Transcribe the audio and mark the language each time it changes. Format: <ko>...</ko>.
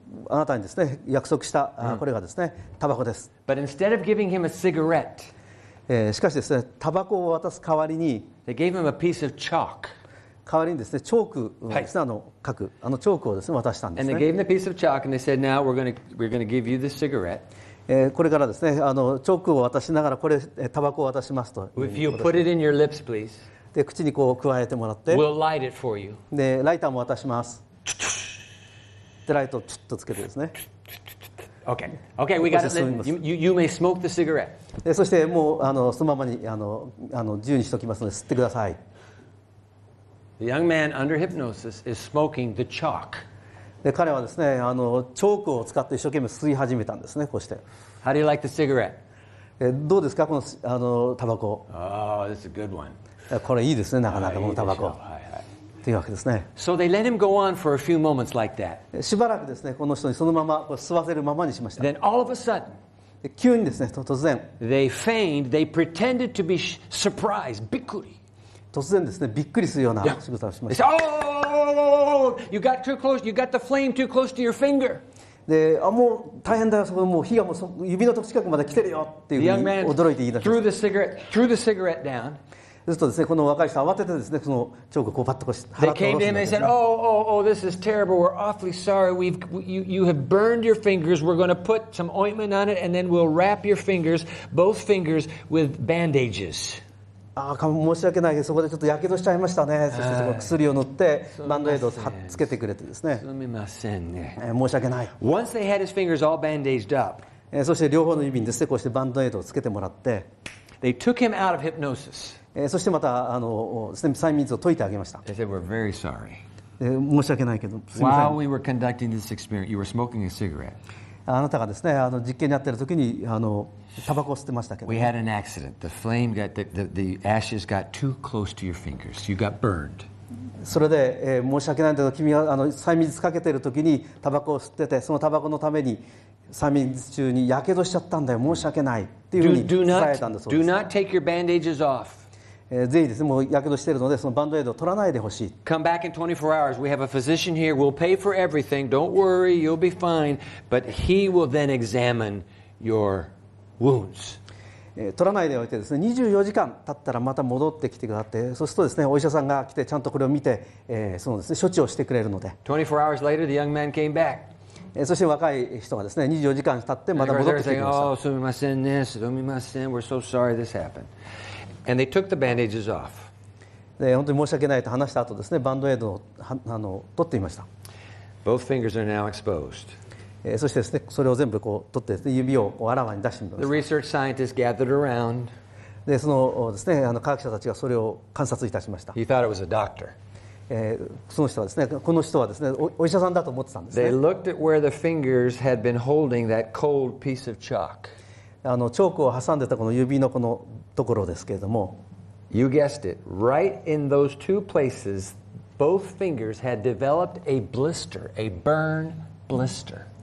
<ja>あなたにですね、約束したこれがですね、タバコです。</ja> <en>But instead of giving him a cigarette,</en> <ja>しかしですね、タバコを渡す代わりに、</ja> <en>they gave him a piece of chalk.</en> <ja>代わりにですね、チョークですね、書く、チョークをですね、渡したんですね。</ja> <en>And they gave him a piece of chalk and they said, now we're going to give you this cigarette.</en> <ja>これからですね、チョークを渡しながら、これ、タバコを渡しますと。</ja> <en>If you put it in your lips, please.</en> <ja>で、口にこう、加えてもらって。</ja> <en>We'll light it for you.</en> <ja>で、ライターも渡します。で、ライトをチュッとつけてですね。</ja> <en>Okay. Okay, we got to listen. You may smoke the cigarette.</en> <ja>そしてもう、そのままに、自由にしておきますので、吸ってください。</ja> <en>The young man under hypnosis is smoking the chalk.</en> <ja>で彼はですね、チョークを使って一生懸命吸い始めたんですね、こうして。</ja> <en>How do you like the cigarette?</en> <ja>どうですか、このタバコ。</ja> <en>Oh, this is a good one.</en> <ja>これいいですね、なかなかこのタバコ。はいはい。というわけですね。</ja> <en>So they let him go on for a few moments like that.</en> <ja>しばらくですね、この人にそのままこう吸わせるままにしました。</ja> <en>Then all of a sudden,</en> <ja>急にですね、突然。</ja> <en>They feigned, they pretended to be surprised,</en> <ja>びっくり。突然ですね、びっくりするような仕草をしました。</ja> <en>Oh, you got too close. You got the flame too close to your finger.</en> <ja>で、もう大変だよ。そこもう火がもう指のとこ近くまで来てるよっていうふうに驚いて言い出しました。</ja> <en>Threw the cigarette. Threw the cigarette down.</en> <ja>するとですね、この若い人慌ててですね、そのチョークをこうパッとこうして払って下ろすんですね。</ja> <en>They came to him and said, Oh, this is terrible. We're awfully sorry. You have burned your fingers. We're going to put some ointment on it, and then we'll wrap your fingers, both fingers, with bandages.</en> <ja>申し訳ないけどそこでちょっとやけどしちゃいましたね。そして薬を塗ってバンドエイドをつけてくれてですね。すみませんね。申し訳ない。</ja> <en>Once they had his fingers all bandaged up,</en> <ja>そして両方の指にですね、こうしてバンドエイドをつけてもらって、</ja> <en>they took him out of hypnosis.</en> <ja>そしてまた催眠術を解いてあげました。</ja> <en>They said, we're very sorry.</en> <ja>申し訳ないけど、すみません。</ja> <en>While we were conducting this experiment, you were smoking a cigarette.</en> <ja>あなたがですね、実験にあってる時にタバコを吸ってましたけど、</ja> <en>ね。We had an accident. The flame got the ashes got too close to your fingers. You got burned.</en> <ja>それで、申し訳ないんだけど、君は催眠術かけてる時にタバコを吸ってて、そのタバコのために催眠術中に火傷しちゃったんだよ。申し訳ないっていうふうに伝えたんだそうです、ね。</ja> <en>Do not take your bandages off.</en> <ja>ぜひですね、もう火傷してるのでそのバンドエイドを取らないでほしい。</ja> <en>Come back in 24 hours. We have a physician here. We'll pay for everything. Don't worry. You'll be fine. But he will then examine your wounds.</en> <ja>取らないでおいてですね、24時間経ったらまた戻ってきてくださって、そうするとですね、お医者さんが来てちゃんとこれを見て、そのですね、処置をしてくれるので。</ja> <en>24 hours later, the young man came back.</en> <ja>そして若い人がですね、24時間経ってまた戻ってきてくれました。 Oh, すみませんね。すみません。</ja> <en>We're so sorry this happened. And they took the bandages off.</en> <ja>本当に申し訳ないと話した後ですね、バンドエイドを取ってみました。</ja> <en>Both fingers are now exposed.</en> <ja>そしてですね、それを全部こう取って、ね、指をこうあらわに出してみました。</ja> <en>The research scientists gathered around.</en> <ja>で、そのですね、科学者たちがそれを観察いたしました。</ja> <en>He thought it was a doctor.</en> <ja>その人はですね、この人はですね、お医者さんだと思ってたんですね。</ja> <en>They looked at where the fingers had been holding that cold piece of chalk.</en> <ja>あのチョークを挟んでたこの指のこのところですけれども。</ja> <en>You guessed it. Right in those two places, both fingers had developed a blister, a burn blister.</en>